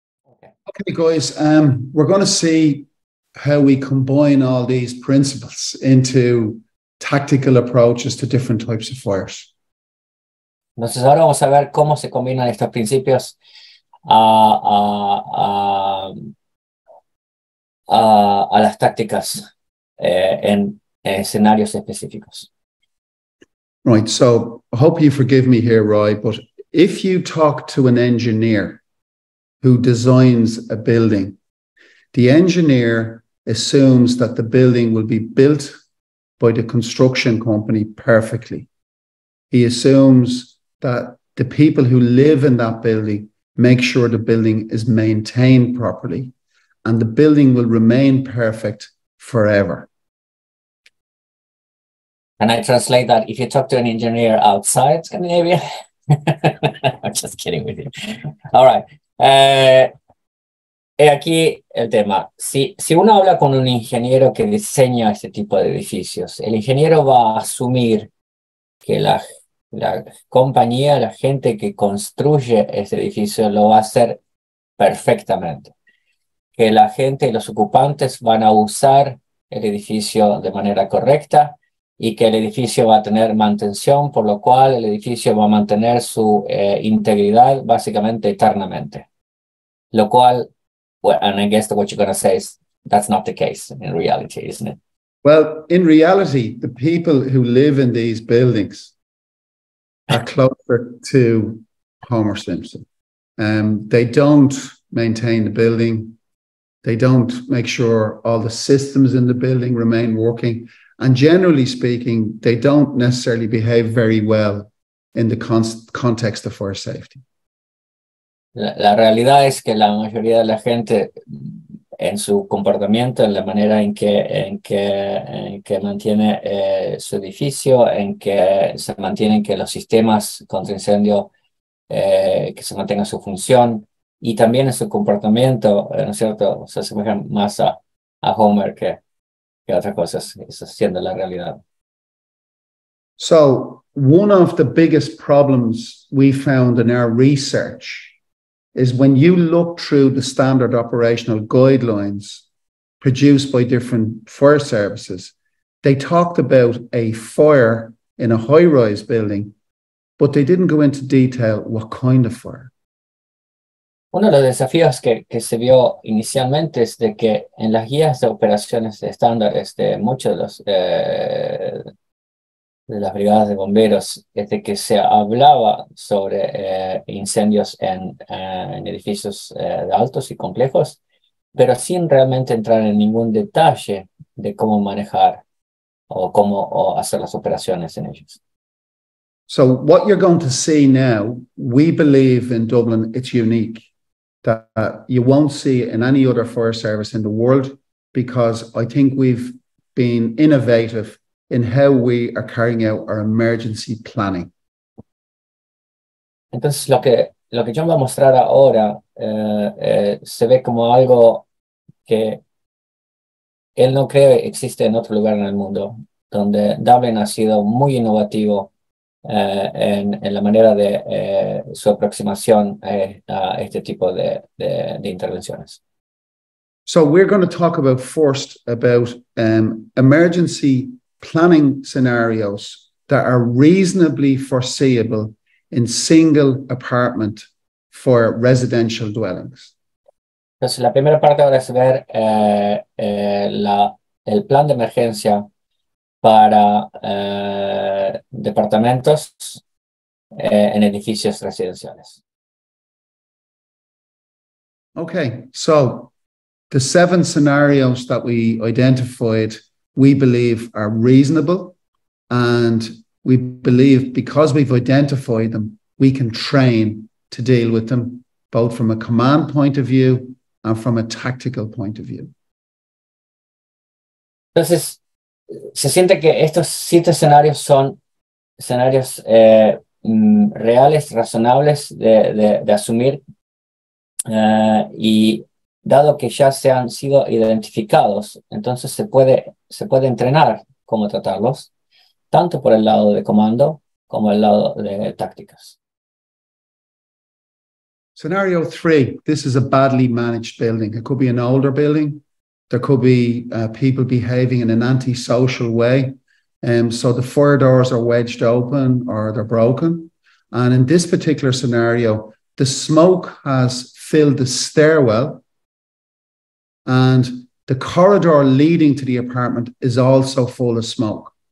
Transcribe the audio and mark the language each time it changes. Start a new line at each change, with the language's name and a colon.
English: Okay, guys, we're going to see how we combine all these principles into tactical approaches to different types of fires.
Spanish: Entonces ahora vamos a ver cómo se combinan estos principios a las tácticas en escenarios específicos.
English: Right, so I hope you forgive me here, Roy, but if you talk to an engineer who designs a building, the engineer assumes that the building will be built by the construction company perfectly. He assumes that the people who live in that building make sure the building is maintained properly and the building will remain perfect forever. Can I translate that? If you talk to an engineer outside Scandinavia, I'm just kidding with you. All right.
Spanish: He aquí el tema. Si uno habla con un ingeniero que diseña este tipo de edificios, el ingeniero va a asumir que la compañía, la gente que construye este edificio lo va a hacer perfectamente. Que la gente, los ocupantes van a usar el edificio de manera correcta y que el edificio va a tener mantención, por lo cual el edificio va a mantener su integridad básicamente eternamente. Lo cual,
English: well, and I guess what you're going to say is that's not the case in reality, isn't it? Well, in reality, the people who live in these buildings are closer to Homer Simpson. They don't maintain the building. They don't make sure all the systems in the building remain working. And generally speaking, they don't necessarily behave very well in the context of fire safety.
Spanish: La realidad es que la mayoría de la gente en su comportamiento, en la manera en que mantiene su edificio, en que se mantienen que los sistemas contra incendio, que se mantenga su función, y también en su comportamiento, ¿no es cierto? O sea, se asemeja más a Homer que a otras cosas, eso siendo la realidad.
English: So, one of the biggest problems we found in our research is when you look through the standard operational guidelines produced by different fire services, they talked about a fire in a high-rise building, but they didn't go into detail what kind of fire.
Spanish: Uno de los desafíos que se vio inicialmente es de que en las guías de operaciones estándares de muchos de los de las brigadas de bomberos, es de que se hablaba sobre incendios en edificios altos y complejos, pero sin realmente entrar en ningún detalle de cómo manejar o hacer las operaciones en ellos.
English: So what you're going to see now, we believe in Dublin, it's unique, that you won't see in any other fire service in the world, because I think we've been innovative in how we are carrying out our emergency planning.
Spanish: Entonces, lo que yo voy a mostrar ahora se ve como algo que él no cree existe en otro lugar en el mundo, donde Dublin ha sido muy innovativo en la manera de su aproximación a este tipo de intervenciones.
English: So we're going to talk about first about emergency planning scenarios that are reasonably foreseeable in single apartment for residential dwellings.
Spanish: Entonces, la primera parte ahora es ver el plan de emergencia para departamentos en edificios residenciales.
English: Okay, so the seven scenarios that we identified, we believe are reasonable, and we believe because we've identified them, we can train to deal with them, both from a command point of view and from a tactical point of view.
Spanish: Entonces, se siente que estos siete escenarios son escenarios reales, razonables de asumir, y dado que ya se han sido identificados, entonces se puede entrenar cómo tratarlos, tanto por el lado de comando como el lado de tácticas.
English: Scenario three, this is a badly managed building. It could be an older building. There could be people behaving in an antisocial way. So the fire doors are wedged open or they're broken. And in this particular scenario, the smoke has filled the stairwell and the corridor leading to the apartment is also full of smoke.